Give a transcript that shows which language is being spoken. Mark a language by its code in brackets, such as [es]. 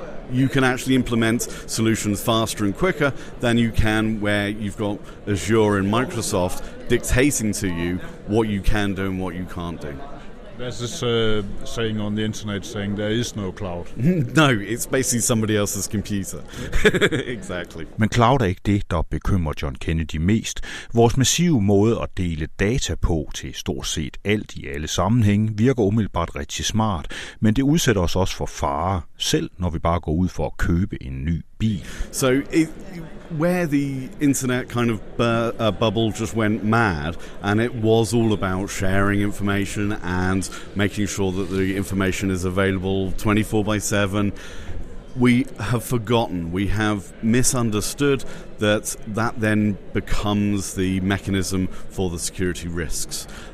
[en] You can actually implement solutions faster and quicker than you can where you've got Azure and Microsoft dictating to you what you can do and what you can't do. There's this saying on the internet saying there is no cloud. No, it's basically somebody else's computer. Exactly. [da] Men cloud er ikke det, der bekymrer John Kennedy mest. Vores massive måde at dele data på til stort set alt i alle sammenhænge virker umiddelbart rigtig smart, men det udsætter os også for fare, selv når vi bare går ud for at købe en ny bil. [en] So where the internet kind of bubble just went mad, and it was all about sharing information and making sure that the information is available 24/7, we have forgotten, we have misunderstood that that then becomes the mechanism for the security risks.